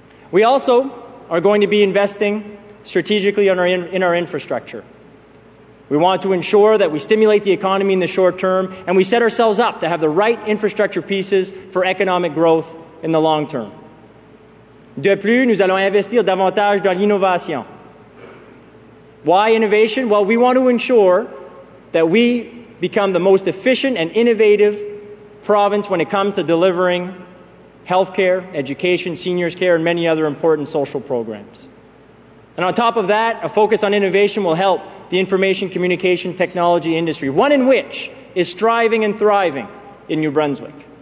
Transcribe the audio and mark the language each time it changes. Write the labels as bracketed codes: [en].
[en] We also are going to be investing strategically in our infrastructure. We want to ensure that we stimulate the economy in the short term, and we set ourselves up to have the right infrastructure pieces for economic growth in the long term. [fr] De plus, nous allons investir davantage dans l'innovation. [en] Why innovation? Well, we want to ensure that we become the most efficient and innovative province when it comes to delivering health care, education, seniors care, and many other important social programs. And on top of that, a focus on innovation will help the information communication technology industry, one in which is striving and thriving in New Brunswick.